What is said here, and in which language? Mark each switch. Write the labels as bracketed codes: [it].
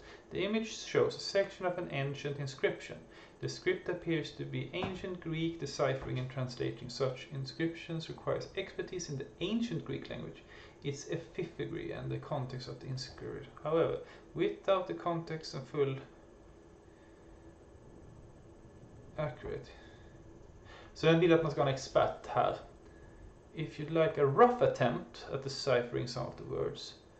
[en] The image shows a section of an ancient inscription. The script appears to be ancient Greek, deciphering and translating such inscriptions requires expertise in the ancient Greek language, its epigraphy and the context of the inscription. However, without the context and full accurate. [sv] Så jag vill att man ska ha en expert här. [en] If you'd like a rough attempt at deciphering some of the words.